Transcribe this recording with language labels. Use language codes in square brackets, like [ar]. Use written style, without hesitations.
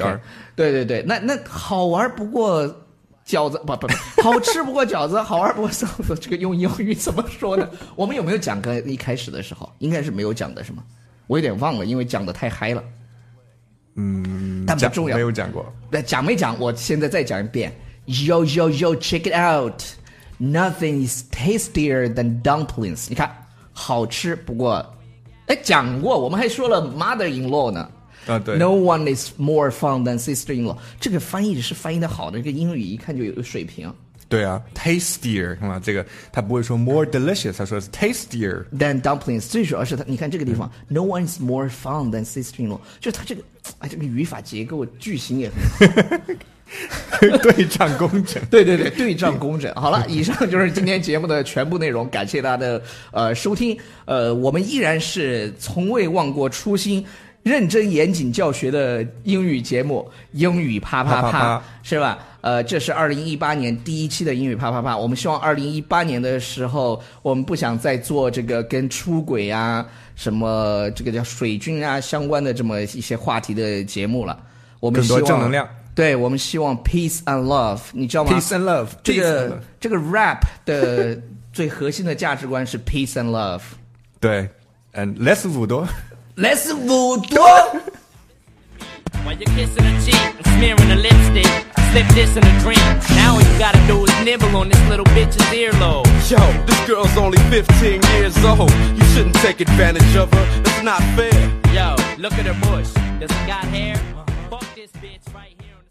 [zh] Okay， 对对对，那好玩不过饺子，不好吃不过饺子，好玩不过嫂子。这个用英语怎么说呢？我们有没有讲？刚才一开始的时候应该是没有讲的，是吗？我有点忘了，因为讲的太嗨了。嗯，但不重要，没有讲过。讲没讲？我现在再讲一遍。 [en] Yo yo yo, check it out! Nothing is tastier than dumplings. [zh] 你看，好吃不过，哎，讲过，我们还说了 mother-in-law 呢。啊，对。 [en] No one is more fun than sister-in-law. [zh] 这个翻译是翻译的好的，这个英语一看就有水平。对啊 ，tastier， 看吧，这个他不会说 more delicious，他说是 tastier [en] than dumplings。 [zh] 最主要是他，你看这个地方、嗯、， no one is more fun than sister-in-law，就他这个，哎，这个语法结构句型也很好。对仗工整。对对对，对仗工整。好了，以上就是今天节目的全部内容，感谢大家的收听。我们依然是从未忘过初心，认真严谨教学的英语节目，英语啪啪啪, 啪, 啪, 啪是吧。这是2018年第一期的英语啪啪啪，我们希望2018年的时候，我们不想再做这个跟出轨啊什么这个叫水军啊相关的这么一些话题的节目了。我们希望更多正能量。对，我们希望 peace and love，你知道吗？ [en] peace and love， [zh] 这个 rap 的最核心的价值观是 peace and love。对， and less 五多， less 五多。 [en] While you're kissing her cheek and smearing her lipstick, I slipped this in a dream. Now all you gotta do is nibble on this little bitch's earlobe. Yo, this girl's only 15 years old. You shouldn't take advantage of her. That's not fair. Yo, look at her bush. Does she got hair? Fuck this bitch right here.